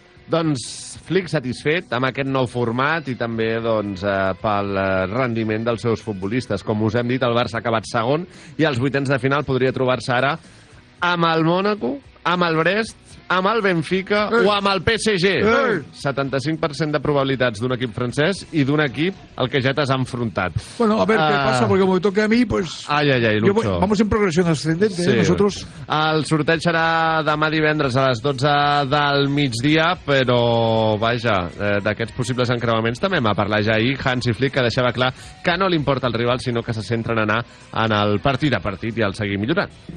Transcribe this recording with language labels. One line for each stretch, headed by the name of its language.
Catalan: Doncs Flick satisfet amb aquest nou format i també doncs, pel rendiment dels seus futbolistes. Com us hem dit, el Barça ha acabat segon i als vuitens de final podria trobar-se ara amb el Mònaco, amb el Brest, amb el Benfica o amb el PSG. 75% de probabilitats d'un equip francès i d'un equip al que ja t'has enfrontat.
Spanish: Bueno, a ver qué pasa, porque como me toque a mí, pues... Ai, Lucho. Vamos en progresión ascendente, sí. Nosotros...
Catalan: El sorteig serà demà divendres a les 12 del migdia, però, vaja, d'aquests possibles encreuaments també m'ha parlat ja ahir Hansi Flick, que deixava clar que no li importa el rival, sinó que se centra en anar en el partit a partit i el seguir millorant.